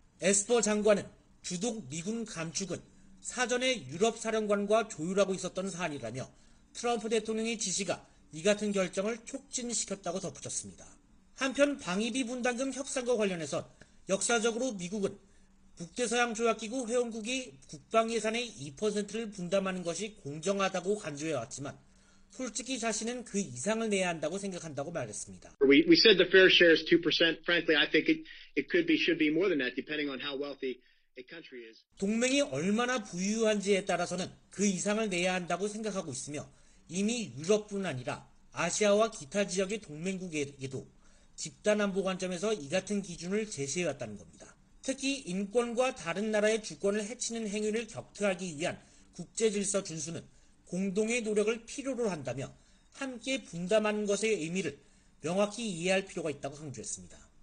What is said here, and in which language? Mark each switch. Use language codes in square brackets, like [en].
[ko] 에스퍼 장관은 주둔 미군 감축은 사전에 유럽 사령관과 조율하고 있었던 사안이라며 트럼프 대통령의 지시가 이 같은 결정을 촉진시켰다고 덧붙였습니다. 한편 방위비 분담금 협상과 관련해선 역사적으로 미국은 북대서양 조약기구 회원국이 국방 예산의 2%를 분담하는 것이 공정하다고 강조해왔지만 솔직히 자신은 그 이상을 내야 한다고 생각한다고 말했습니다. [en] We said the fair share is 2%. Frankly, I think it could be, should be more than that, depending on how wealthy a country is. [ko] 동맹이 얼마나 부유한지에 따라서는 그 이상을 내야 한다고 생각하고 있으며 이미 유럽뿐 아니라 아시아와 기타 지역의 동맹국에게도 집단 안보 관점에서 이 같은 기준을 제시해왔다는 겁니다. 특히 인권과 다른 나라의 주권을 해치는 행위를 격퇴하기 위한 국제 질서 준수는 공동의 노력을 필요로 한다며 함께 분담하는 것의 의미를 명확히 이해할 필요가 있다고 강조했습니다.